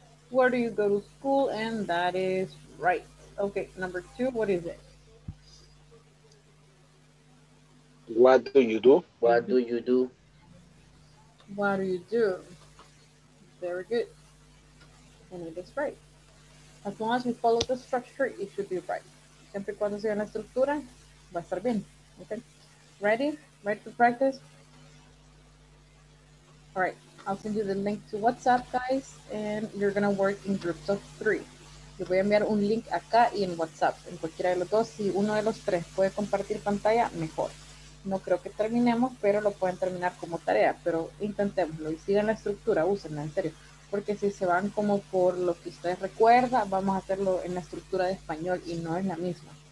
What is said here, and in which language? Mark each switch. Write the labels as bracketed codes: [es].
[en] Where do you go to school? And that is right. Okay, number two, what is it? What do you do? What do you do? What do you do? Very good. And it is right. As long as we follow the structure, it should be right. [es] Siempre cuando sea la estructura, va a estar bien. [en] Okay. Ready? Ready to practice? All right. I'll send you the link to WhatsApp, guys, and you're going to work in groups of three. [es] Yo voy a enviar un link acá y en WhatsApp. En cualquiera de los dos, si uno de los tres puede compartir pantalla, mejor. No creo que terminemos, pero lo pueden terminar como tarea. Pero intentémoslo y sigan la estructura, úsenla, en serio. Porque si se van como por lo que ustedes recuerdan, vamos a hacerlo en la estructura de español y no es la misma.